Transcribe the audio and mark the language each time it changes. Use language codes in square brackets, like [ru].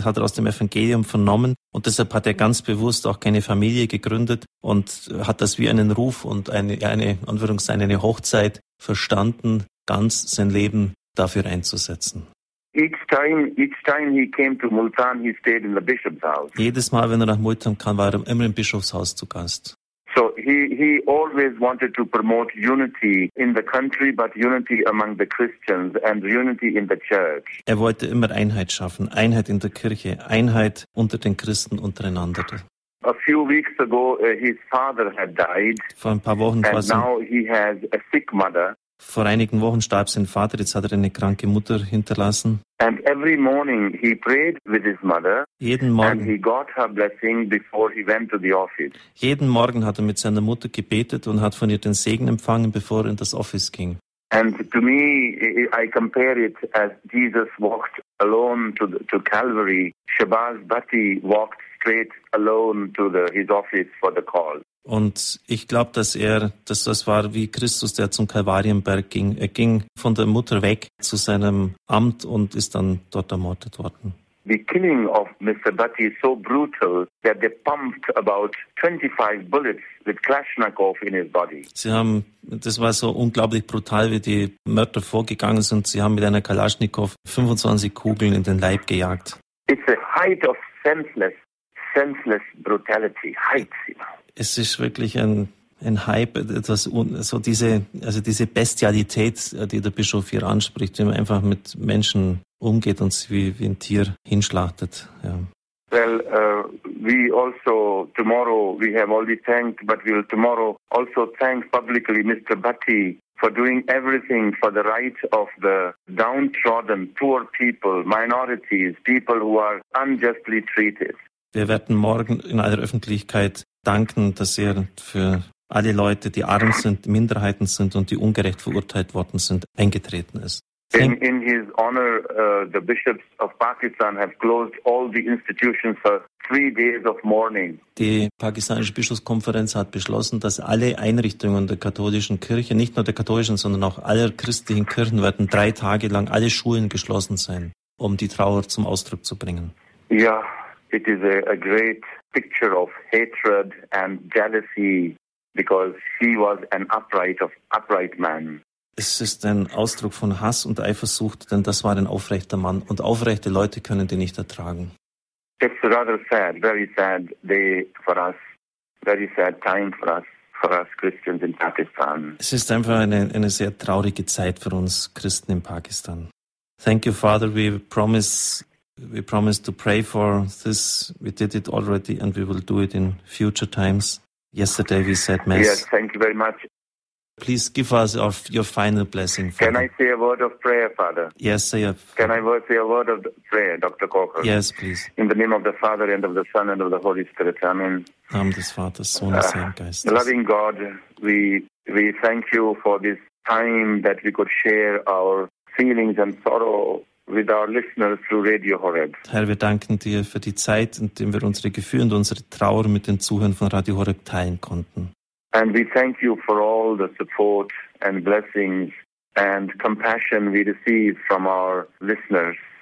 [de] Das hat er aus dem Evangelium vernommen, und deshalb hat er ganz bewusst auch keine Familie gegründet und hat das wie einen Ruf und eine Hochzeit verstanden, ganz sein Leben dafür einzusetzen. [en] Each time he came to Multan, he stayed in the bishop's house. [de] Jedes Mal, wenn er nach Multan kam, war er immer im Bischofshaus zu Gast. [en] So he always wanted to promote unity in the country, but unity among the Christians and unity in the church. [de] Er wollte immer Einheit schaffen, Einheit in der Kirche, Einheit unter den Christen untereinander. [en] A few weeks ago his father had died. [de] Vor ein paar Wochen [en] quasi. And now he has a sick mother. [de] Vor einigen Wochen starb sein Vater, jetzt hat er eine kranke Mutter hinterlassen. [en] And every morning he prayed with his mother. [de] Jeden Morgen. [en] And he got her blessing before he went to the office. [de] Jeden Morgen hat er mit seiner Mutter gebetet und hat von ihr den Segen empfangen, bevor er in das Office ging. [en] And to me, I compare it as Jesus walked alone to Calvary. Shabazz Bhatti walked straight alone to his office for the call. [de] Und ich glaube, dass das war wie Christus, der zum Kalvarienberg ging. Er ging von der Mutter weg zu seinem Amt und ist dann dort ermordet worden. [en] The killing of Mr. Bhatti is so brutal that they pumped about 25 bullets with Kalashnikov in his body. [de] Das war so unglaublich brutal, wie die Mörder vorgegangen sind. Sie haben mit einer Kalashnikov 25 Kugeln in den Leib gejagt. [en] It's a height of senseless brutality. Heights, you know. [de] Es ist wirklich ein Hype, etwas so diese Bestialität, die der Bischof hier anspricht, wie man einfach mit Menschen umgeht und sie wie ein Tier hinschlachtet. Ja. [en] Well, we also tomorrow we have already thanked, but we will tomorrow also thank publicly Mr. Bhatti for doing everything for the right of the downtrodden, poor people, minorities, people who are unjustly treated. [de] Wir werden morgen in aller Öffentlichkeit danken, dass er für alle Leute, die arm sind, Minderheiten sind und die ungerecht verurteilt worden sind, eingetreten ist. [en] In his honor, the bishops of Pakistan have closed all the institutions for 3 days of mourning. [de] Die pakistanische Bischofskonferenz hat beschlossen, dass alle Einrichtungen der katholischen Kirche, nicht nur der katholischen, sondern auch aller christlichen Kirchen, werden 3 Tage lang alle Schulen geschlossen sein, um die Trauer zum Ausdruck zu bringen. [en] Ja, it is a great picture of hatred and jealousy, because he was an upright man. [de] Es ist ein Ausdruck von Hass und Eifersucht, denn das war ein aufrechter Mann, und aufrechte Leute können die nicht ertragen. [en] It's rather sad, very sad day for us, very sad time for us Christians in Pakistan. [de] Es ist einfach eine sehr traurige Zeit für uns Christen in Pakistan. [en] Thank you, Father. We promise to pray for this. We did it already, and we will do it in future times. Yesterday we said Mass. Yes, thank you very much. Please give us your final blessing, Father. Can I say a word of prayer, Father? Yes, sir. Can I say a word of prayer, Dr. Corker? Yes, please. In the name of the Father, and of the Son, and of the Holy Spirit. Amen. [de] Namen des Vaters, Sohnes, Heiligen Geistes. [en] Loving God, we thank you for this time that we could share our feelings and sorrow with our listeners through Radio Horeb. [de] Herr, wir danken dir für die Zeit, in der wir unsere Gefühle und unsere Trauer mit den Zuhörern von Radio Horeb teilen konnten. [en] And we thank you for all the support and blessings and compassion we receive from our listeners.